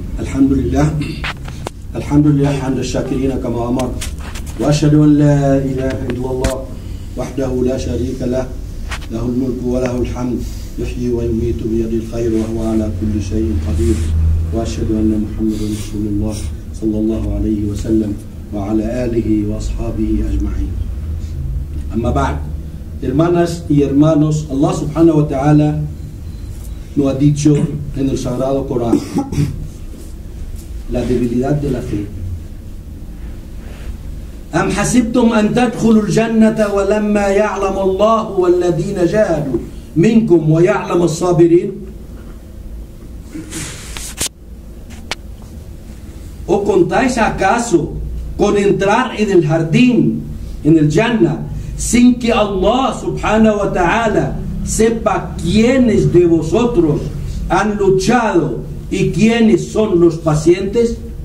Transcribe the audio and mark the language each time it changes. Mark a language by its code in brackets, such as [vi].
[ar] الحمد لله حمد الشاكرين كما أمر، وأشهد أن لا إله إلا الله وحده لا شريك له، له الملك وله الحمد، يحيي ويميت بيد الخير وهو على كل شيء قدير، وأشهد أن محمد رسول الله صلى الله عليه وسلم، وعلى آله وأصحابه أجمعين. أما بعد, [es] hermanas y hermanos, Allah subhanahu wa ta'ala nos ha dicho en el Sagrado Corán la debilidad de la fe. [ar] أم حسبتم أن تدخلوا الجنة ولما يعلم الله والذين جاهدوا منكم ويعلم الصابرين. [es] ¿O contáis acaso con entrar en el jardín, en el Jannah, sin que Allah subhanahu wa ta'ala sepa quiénes de vosotros han luchado y quiénes son los pacientes?